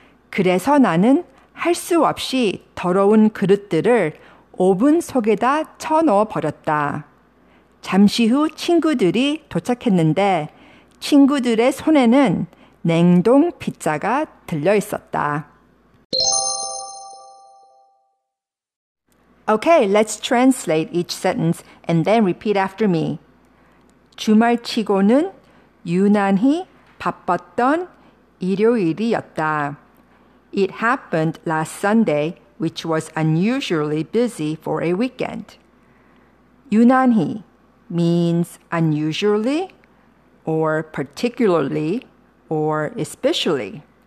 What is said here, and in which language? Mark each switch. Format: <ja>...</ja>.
<ko>그래서 나는 할 수 없이 더러운 그릇들을 오븐 속에다 쳐넣어 버렸다. 잠시 후 친구들이 도착했는데 친구들의 손에는 냉동 피자가 들려 있었다.</ko> <en>Okay, let's translate each sentence and then repeat after me.</en> <ko>주말 치고는 유난히 바빴던 일요일이었다.</ko> <en>It happened last Sunday, which was unusually busy for a weekend. 유난히 means unusually or particularly or especially.</en>